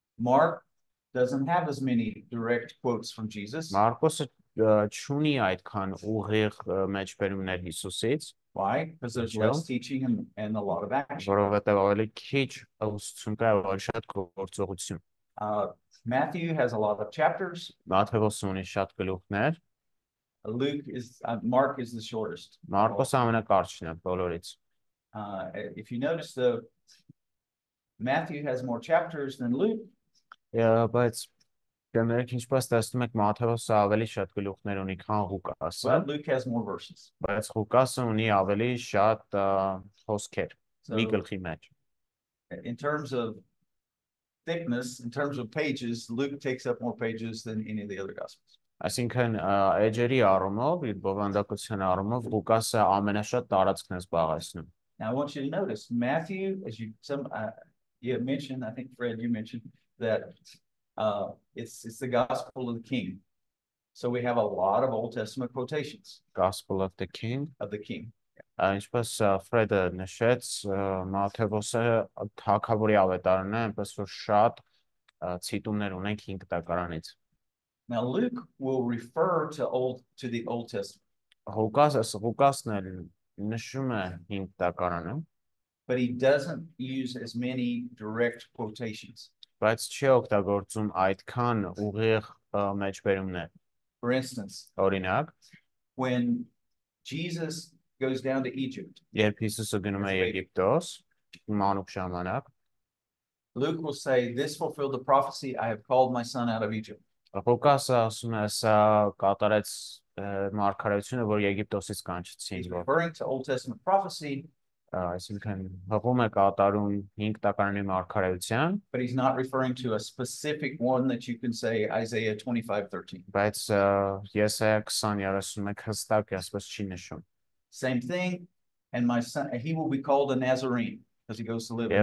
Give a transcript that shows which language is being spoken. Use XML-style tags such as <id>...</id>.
<en>Mark doesn't have as many direct quotes from Jesus.</en> <hy>Մարկոսը չունի այդքան ուղիղ մեջբերումներ Հիսուսից։</hy> <en>Why? Because there's less teaching and a lot of action.</en> <hy>Որովհետև ավելի քիչ ուսուցում կա, ավելի շատ գործողություն։</hy> <en>Matthew has a lot of chapters.</en> <hy>Մաթեոսը ունի շատ գլուխներ։</hy> <en>Mark is the shortest.</en> <hy>Մարկոսը ամենակարճն է բոլորից։</hy> <en>If you notice, the Matthew has more chapters than Luke. Yeah, but</en> <hy>դեմերք ինչպես տեսնում եք, Մաթեոսը ավելի շատ գլուխներ ունի, քան Ղուկասը։</hy> <en>But Luke has more verses.</en> <hy>Բայց Ղուկասը ունի ավելի շատ հոսքեր մի գլխի մեջ։</hy> <en>In terms of thickness, in terms of pages, Luke takes up more pages than any of the other gospels.</en> <hy>Այսինքն էջերի առումով, իր բովանդակության առումով Ղուկասը ամենաշատ տարածքն է զբաղեցնում։</hy> <en>Now I want you to notice Matthew, as you mentioned, I think Fred, you mentioned that it's the gospel of the king. So we have a lot of Old Testament quotations. Gospel of the king? Of the king.</en> <hy>Ինչպես Ֆրեդը նշեց, Մաթեոսը թագավորի ավետարանն է, այնպես որ շատ ցիտումներ ունենք հին կտակարանից։</hy> <en>Now Luke will refer to the Old Testament.</en> <hy>Ղուկասն էլ նշում է հին կտակարանը։</hy> <en>But he doesn't use as many direct quotations.</en> <hy>Բայց չի օգտագործում այդքան ուղիղ մեջբերումներ։</hy> <en>For instance,</en> <hy>օրինակ,</hy> <en>when Jesus goes down to Egypt.</en> <hy>Երբ Հիսուսը գնում է Եգիպտոս, մանուկ ժամանակ,</hy> <en>Luke will say, "This fulfilled the prophecy, I have called my son out of Egypt."</en> <hy>Ղուկասը ասում է, սա կատարեց մարգարեությունը, որ Եգիպտոսից կանչեցին։</hy> <en>He's referring to Old Testament prophecy.</en> <hy>Այսինքն, հղում է կատարում հին կտակարանի մարգարեության,</hy> <en>but he's not referring to a specific one that you can say Isaiah 25:13.</en> <hy>Բայց Եսայա 20:31 հստակ է, ասես չի նշում։</hy> <en>Same thing, and my son, he will be called a Nazarene because he goes to live</en>